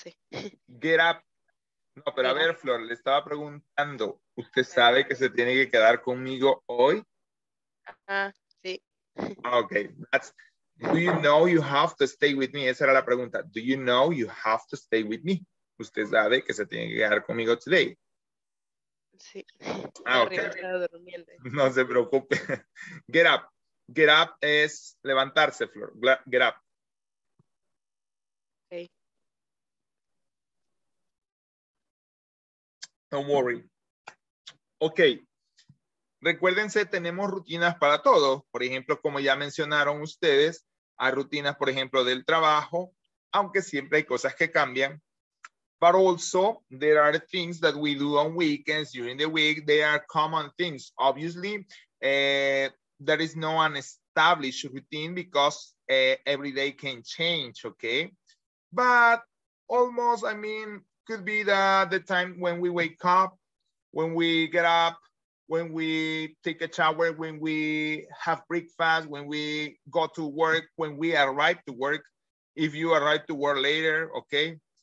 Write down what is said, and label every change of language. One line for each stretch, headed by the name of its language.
Spanish: A ver, Flor, le estaba preguntando, ¿usted sabe que se tiene que quedar conmigo hoy? Sí.
English: Okay, do you know you have to stay with me?
Spanish: Esa era la pregunta.
English: Do you know you have to stay with me?
Spanish: ¿Usted sabe que se tiene que quedar conmigo today? Sí. Okay. No se preocupe.
English: Get up. Get up
Spanish: es levantarse, Flor. Get up.
English: Don't worry.
Spanish: Ok. Recuérdense, tenemos rutinas para todo. Por ejemplo, como ya mencionaron ustedes, hay rutinas, por ejemplo, del trabajo, aunque siempre hay cosas que cambian.
English: But also, there are things that we do on weekends, during the week. They are common things. Obviously, there is no an established routine because every day can change, okay? But almost, I mean, could be the time when we wake up, when we get up, when we take a shower, when we have breakfast, when we go to work, when we arrive to work, if you arrive to work later, okay?